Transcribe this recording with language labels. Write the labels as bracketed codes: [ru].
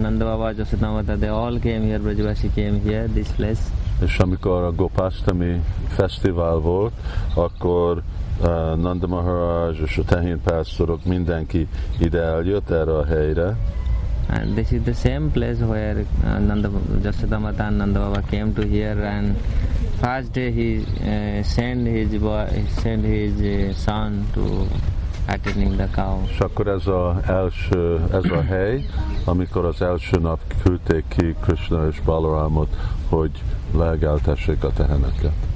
[en] Nanda Baba, Yashoda Mata, they all came here. Brajavasi came here, this place. [hu] És amikor a Gopashtami festival volt, akkor Nanda Maharaj és a tehén pásztorok, mindenki ide eljött erre a helyre. [en] And this is the same place where Nanda Yashoda Mata and Nanda Baba came to here, and first day he sent his son to attending the cow. [hu] És akkor ez a hely, amikor az első nap küldték ki Krishna és Balarámot, hogy legeltessék a teheneket.